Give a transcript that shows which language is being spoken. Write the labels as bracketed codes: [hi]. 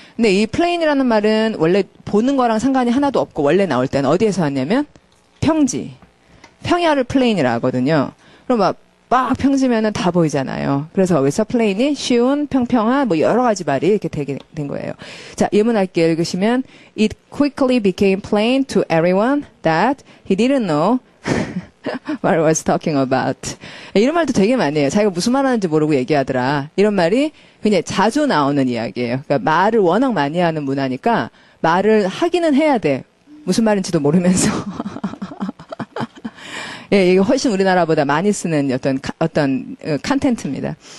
[ko] 근데 이 plain이라는 말은 원래 보는 거랑 상관이 하나도 없고 원래 나올 때는 어디에서 왔냐면 평지. 평야를 플레인이라 하거든요. 그럼 막, 빡 평지면은 다 보이잖아요. 그래서 거기서 플레인이 쉬운, 평평한, 뭐 여러 가지 말이 이렇게 되게 된 거예요. 자, 예문할게 읽으시면, [en] It quickly became plain to everyone that he didn't know what he was talking about. [ko] 이런 말도 되게 많이 해요. 자기가 무슨 말 하는지 모르고 얘기하더라. 이런 말이 그냥 자주 나오는 이야기예요. 그러니까 말을 워낙 많이 하는 문화니까 말을 하기는 해야 돼. 무슨 말인지도 모르면서. 예, 이게 훨씬 우리나라보다 많이 쓰는 어떤 컨텐츠입니다.